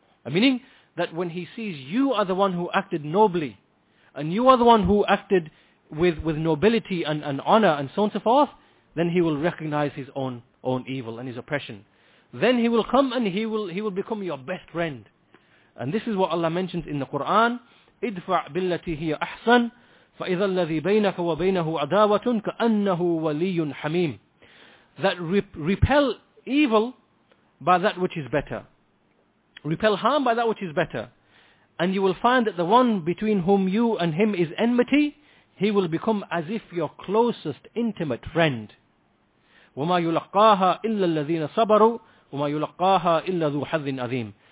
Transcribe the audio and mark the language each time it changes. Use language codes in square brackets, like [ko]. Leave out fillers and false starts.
[en] Meaning that when he sees you are the one who acted nobly, and you are the one who acted with nobility and honor and so on and so forth, then he will recognize his own evil and his oppression. Then he will come and he will become your best friend. And this is what Allah mentions in the Quran, [ar] اِدْفَعْ بِالَّتِي هِيَ أَحْسَنْ فَإِذَا الَّذِي بَيْنَكَ وَبَيْنَهُ عَدَاوَةٌ كَأَنَّهُ وَلِيٌّ حَمِيمٌ. [en] That repel evil by that which is better. Repel harm by that which is better. And you will find that the one between whom you and him is enmity, he will become as if your closest intimate friend. [ar] وَمَا يُلَقَّاهَا إِلَّا الَّذِينَ صَبَرُوا وَمَا يُلَقَّاهَا إِلَّا ذُو حَظٍ عَظِيمٍ.